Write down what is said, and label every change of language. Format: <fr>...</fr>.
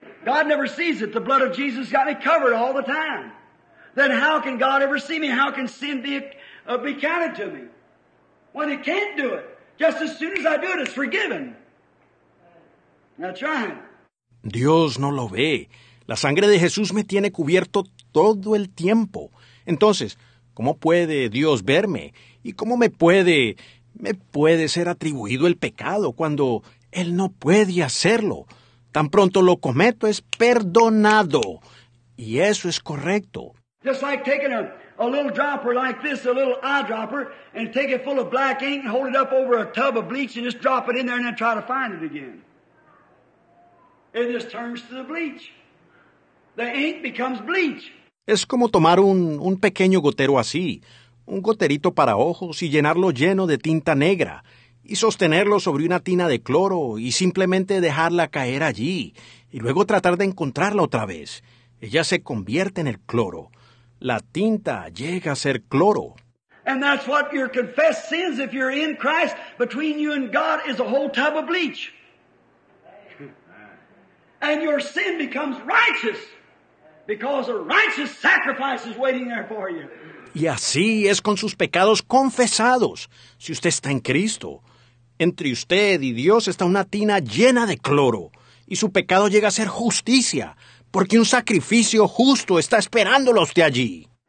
<en>God never sees it. The blood of Jesus got me covered all the time. Then how can God ever see me? How can sin be counted to me? When it can't do it. Just as soon as I do it, it's forgiven. That's right.</en> <es>Dios no lo ve. La sangre de Jesús me tiene cubierto todo el tiempo. Entonces, ¿cómo puede Dios verme? ¿Y cómo me puede ser atribuido el pecado cuando Él no puede hacerlo? Tan pronto lo cometo, es perdonado. Y eso es correcto.</es> <en>Just like taking a little dropper like this, a little eyedropper, and take it full of black ink and hold it up over a tub of bleach and just drop it in there and then try to find it again. It just turns to the bleach. The ink becomes bleach.</en> <es>Es como tomar un pequeño gotero así, un goterito para ojos y llenarlo lleno de tinta negra y sostenerlo sobre una tina de cloro y simplemente dejarla caer allí y luego tratar de encontrarla otra vez. Ella se convierte en el cloro. La tinta llega a ser cloro.</es> <en>And that's what your confessed sins, if you're in Christ, between you and God is a whole tub of bleach. And your sin becomes righteous. Because a righteous sacrifice is waiting there for you.</en> <es>Y así es con sus pecados confesados. Si usted está en Cristo, entre usted y Dios está una tina llena de cloro, y su pecado llega a ser justicia, porque un sacrificio justo está esperándolo a usted allí.</es>